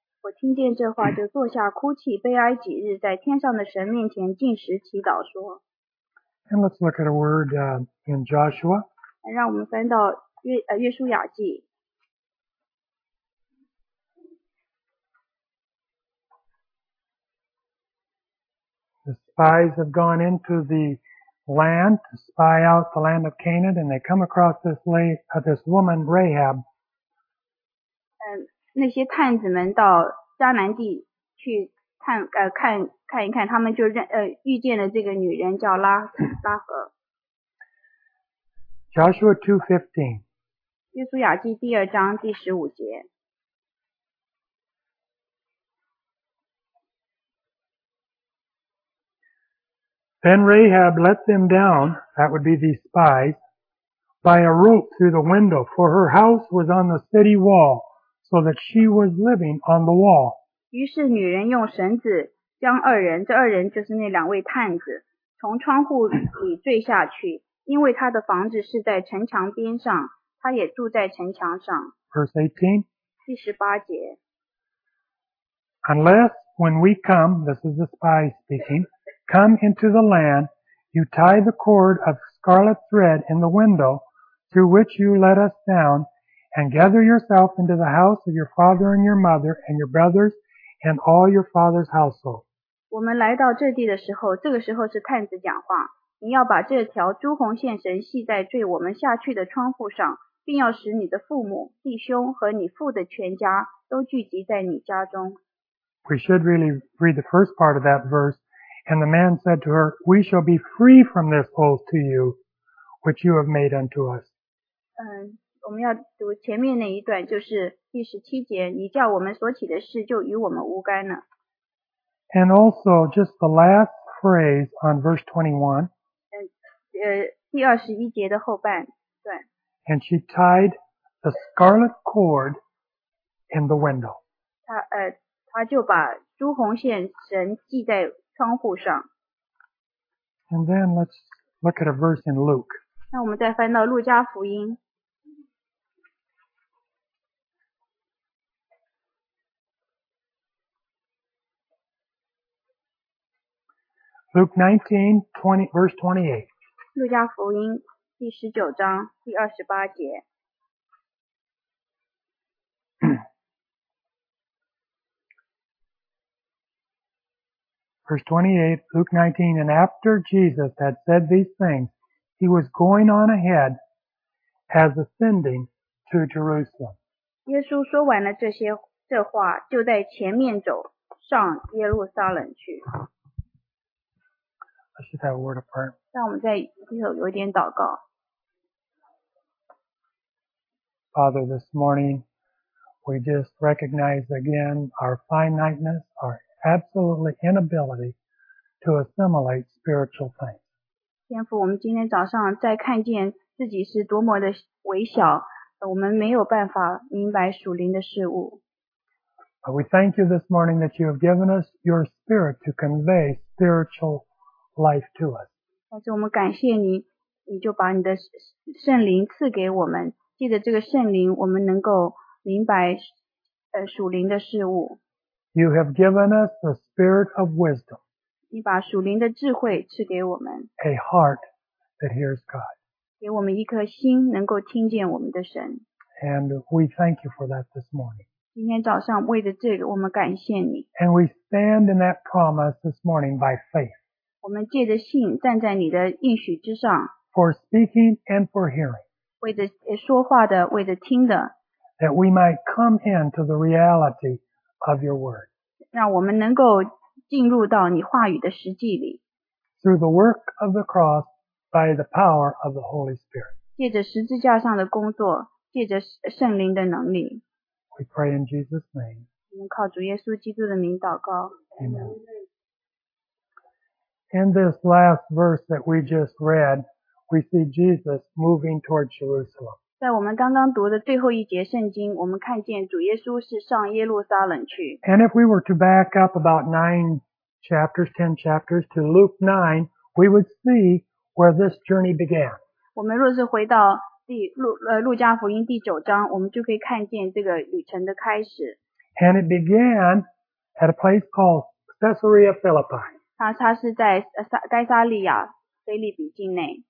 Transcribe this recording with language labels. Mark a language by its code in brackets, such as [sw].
[zh] 我听见这话就坐下哭泣，悲哀几日，在天上的神面前进食祈祷说。 [en] And let's look at a word in Joshua. [zh] 让我们翻到约书亚记。 [en] The spies have gone into the land to spy out the land of Canaan, and they come across this woman Rahab. [zh] 那些探子们到迦南地去探看看一看，他们就遇见了这个女人叫拉合。 [en] Joshua 2:15. [zh] 约书亚记第二章第十五节。 [en] Then Rahab let them down, that would be the spies, by a rope through the window, for her house was on the city wall, so that she was living on the wall. [zh] 于是女人用绳子将二人，这二人就是那两位探子，从窗户里坠下去，因为她的房子是在城墙边上，她也住在城墙上。 [en] Verse 18. [zh] 第十八节。 [en] Unless when we come, this is the spy speaking, come into the land, you tie the cord of scarlet thread in the window through which you let us down, and gather yourself into the house of your father and your mother and your brothers and all your father's household. [zh] 我们来到这地的时候，这个时候是探子讲话，你要把这条朱红线绳系在坠我们下去的窗户上，并要使你的父母、弟兄和你父的全家都聚集在你家中。 [en] We should really read the first part of that verse. And the man said to her, We shall be free from this oath to you, which you have made unto us. [zh] 我们要读前面那一段，就是第十七节，你叫我们所起的事就与我们无干了。 [en] And also, just the last phrase on verse 21. [zh] 第二十一节的后半段。 [en] And she tied the scarlet cord in the window. [zh] 她就把朱红线绳系在窗户上。 [en] And then let's look at a verse in Luke. [zh] 那我们再翻到路加福音。 [en] Luke 19:20, verse 28. [zh] 路加福音第十九章第二十八节。 [en] Verse 28, Luke 19, And after Jesus had said these things, he was going on ahead as ascending to Jerusalem. [zh] 耶稣说完了这话，就在前面走，上耶路撒冷去。 [en] Let's just have a word of prayer. [zh] 让我们在一会儿有点祷告。 [en] Father, this morning, we just recognize again our finiteness, our absolutely inability to assimilate spiritual things. [zh] 天父，我们今天早上在看见自己是多么的微小，我们没有办法明白属灵的事物。 [en] We thank you this morning that you have given us your spirit to convey spiritual life to us. [zh] 但是我们感谢你，你就把你的圣灵赐给我们，借着这个圣灵，我们能够明白属灵的事物。 [en] You have given us the spirit of wisdom. [zh] 你把属灵的智慧赐给我们。 [en] A heart that hears God. [zh] 给我们一颗心能够听见我们的神。 [en] And we thank you for that this morning. [zh] 今天早上为着这个我们感谢你。 [en] And we stand in that promise this morning by faith. [zh] 我们借着信站在你的应许之上。 [en] For speaking and for hearing. [zh] 为着说话的，为着听的。 [en] That we might come into the reality of your word. [zh] 让我们能够进入到你话语的实际里。 [en] Through the work of the cross by the power of the Holy Spirit. [zh] 借着十字架上的工作，借着圣灵的能力。 [en] We pray in Jesus' name. [zh] 我们靠主耶稣基督的名祷告。 [en] Amen. In this last verse that we just read, we see Jesus moving toward Jerusalem. [zh] 在我们刚刚读的最后一节圣经，我们看见主耶稣是上耶路撒冷去。 [en] And if we were to back up about 9 chapters, 10 chapters to Luke 9, we would see where this journey began. [zh] 我们若是回到路加福音第九章，我们就可以看见这个旅程的开始。 [en] And it began at a place called Caesarea Philippi. [zh] 它是在该撒利亚腓立比境内。